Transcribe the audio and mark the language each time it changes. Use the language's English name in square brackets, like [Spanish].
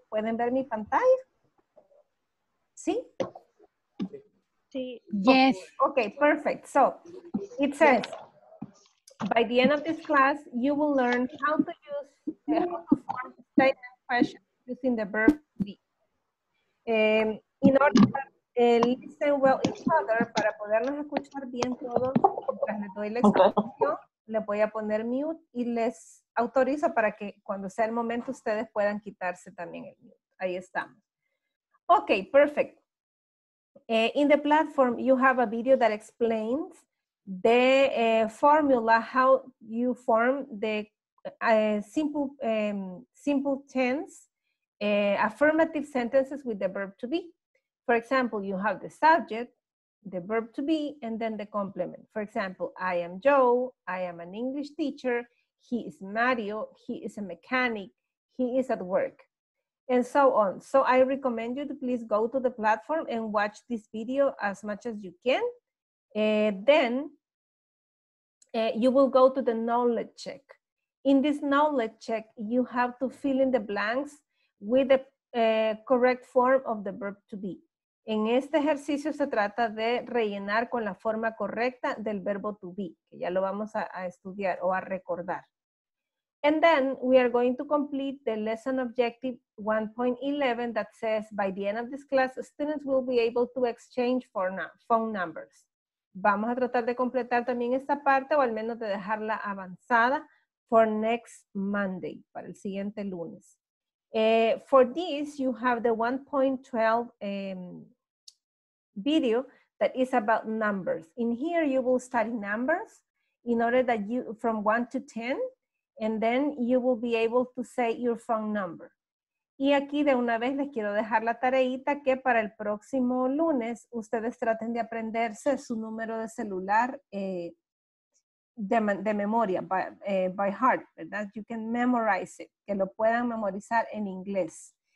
[Spanish] ¿Pueden ver mi pantalla? ¿Sí? Sí. Yes. [English] Okay, perfect. So, it says, by the end of this class, you will learn how to use how to form statement questions using the verb be. In order to listen well each other, [Spanish] para podernos escuchar bien todos, mientras les doy la explicación, le voy a poner mute y les autorizo para que cuando sea el momento ustedes puedan quitarse también el mute. Ahí estamos. Okay, perfect. [English] In the platform, you have a video that explains the formula, how you form the simple tense affirmative sentences with the verb to be. For example, you have the subject, the verb to be, and then the complement. For example, I am Joe, I am an English teacher, he is Mario, he is a mechanic, he is at work, and so on. So I recommend you to please go to the platform and watch this video as much as you can. Then you will go to the knowledge check. In this knowledge check, you have to fill in the blanks with the correct form of the verb to be. [Spanish] En este ejercicio se trata de rellenar con la forma correcta del verbo to be, que ya lo vamos a estudiar o a recordar. [English] And then we are going to complete the lesson objective 1.11 that says by the end of this class, students will be able to exchange phone numbers. [Spanish] Vamos a tratar de completar también esta parte o al menos de dejarla avanzada [English] for next Monday, [Spanish] para el siguiente lunes. [English] For this, you have the 1.12 video that is about numbers. In here, you will study numbers in order that you, from 1 to 10, and then you will be able to say your phone number. [Spanish] Y aquí de una vez les quiero dejar la tareita que para el próximo lunes, ustedes traten de aprenderse su número de celular de memoria, [English] by heart, [Spanish] ¿verdad? [English] You can memorize it, [Spanish] que lo puedan memorizar en inglés.